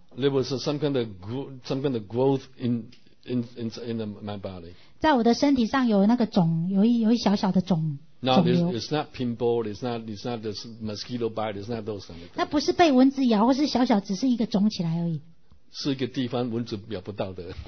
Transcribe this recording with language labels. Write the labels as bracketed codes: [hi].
[en] There was some kind of growth in my body. [zh] 在我的身体上有那个肿，有一小小的肿。 [en] Now it's not pinball, it's not the mosquito bite, it's not those kind of things. [zh] 那不是被蚊子咬，或是小小只是一个肿起来而已。是一个地方蚊子咬不到的。